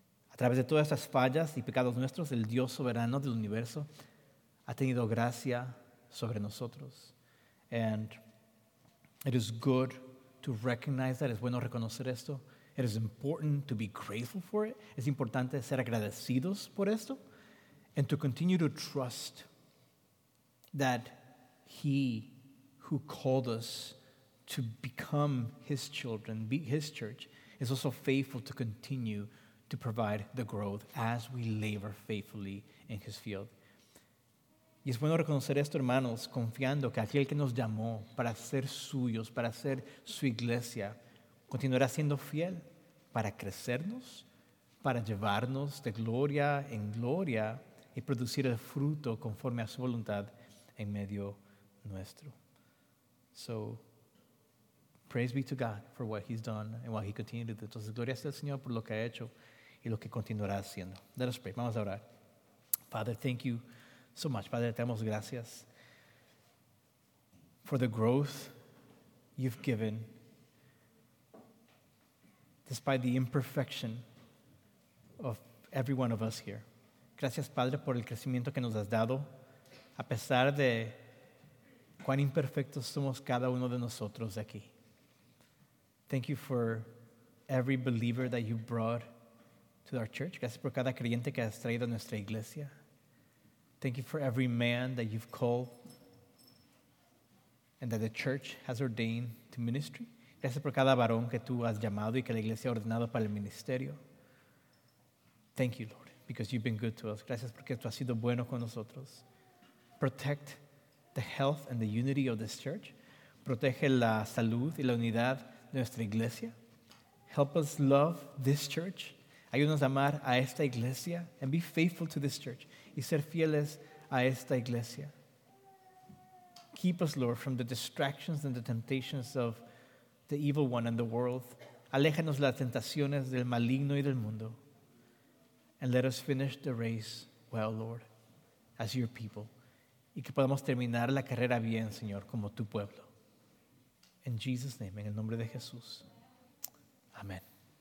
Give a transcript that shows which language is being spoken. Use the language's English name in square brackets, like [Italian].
[Spanish] A través de todas esas fallas y pecados nuestros, el Dios soberano del universo ha tenido gracia sobre nosotros. [English] And it is good to recognize that. [Spanish] Es bueno reconocer esto. [English] It is important to be grateful for it. [Spanish] Es importante ser agradecidos por esto. [English] And to continue to trust that He who called us to become His children, be His church, is also faithful to continue to provide the growth as we labor faithfully in His field. [Spanish] Y es bueno reconocer esto, hermanos, confiando que aquel que nos llamó para ser suyos, para ser su iglesia, continuará siendo fiel para crecernos, para llevarnos de gloria en gloria y producir el fruto conforme a su voluntad en medio nuestro. [English] So, praise be to God for what He's done and what He continued to do. [Spanish] Entonces, gloria sea al Señor por lo que ha hecho y lo que continuará haciendo. [English] Let us pray. [Spanish] Vamos a orar. [English] Father, thank you so much. [Spanish] Padre, te damos gracias [English] for the growth you've given despite the imperfection of every one of us here. [Spanish] Gracias, Padre, por el crecimiento que nos has dado a pesar de cuán imperfectos somos cada uno de nosotros aquí. [English] Thank you for every believer that you brought to our church. [Spanish] Gracias por cada creyente que has traído a nuestra iglesia. [English] Thank you for every man that you've called and that the church has ordained to ministry. [Spanish] Gracias por cada varón que tú has llamado y que la iglesia ha ordenado para el ministerio. [English] Thank you, Lord, because you've been good to us. [Spanish] Gracias porque tú has sido bueno con nosotros. [English] Protect the health and the unity of this church. [Spanish] Protege la salud y la unidad de nuestra iglesia. [English] Help us love this church. [Spanish] Ayúdanos a amar a esta iglesia [English] and be faithful to this church. [Spanish] Y ser fieles a esta iglesia. [English] Keep us, Lord, from the distractions and the temptations of the evil one and the world. [Spanish] Aléjanos las tentaciones del maligno y del mundo. [English] And let us finish the race well, Lord, as your people. [Spanish] Y que podamos terminar la carrera bien, Señor, como tu pueblo. [English] In Jesus' name, [Spanish] en el nombre de Jesús. Amén.